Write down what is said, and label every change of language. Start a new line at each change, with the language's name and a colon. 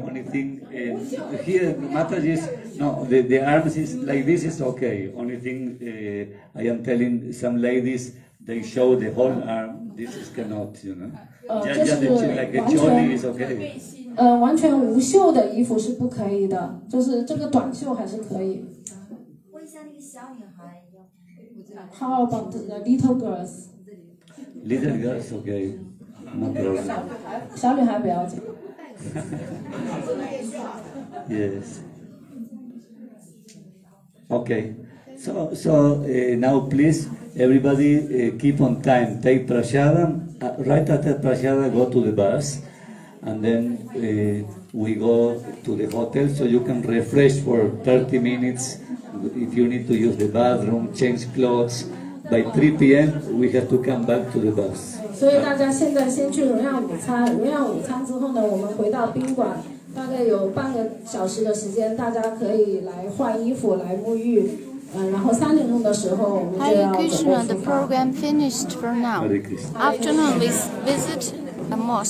English: Only thing here, Mataji is, the arms is like this is okay. Only thing I am telling some ladies, they show the whole arm, this is cannot, you know. Just like a choli is okay.
Chinese: 完全无袖的衣服是不可以的，就是这个短袖还是可以。
English: How about the little girls? Little girls, okay. No problem.
Chinese: 小女孩不要紧。
English: Yes. Okay. So now please, everybody keep on time. Take prasadam. Right after prasadam, go to the bus. And then we go to the hotel so you can refresh for 30 minutes. If you need to use the bathroom, change clothes, by 3 p.m. we have to come back to the bus.
Chinese: 所以大家现在先去荣耀午餐，荣耀午餐之后呢，我们回到宾馆，大概有半个小时的时间，大家可以来换衣服，来沐浴。然后三点钟的时候，我们就要走出去。
English: Hare Krishna, the program finished for now. Afternoon, we visit the mosque.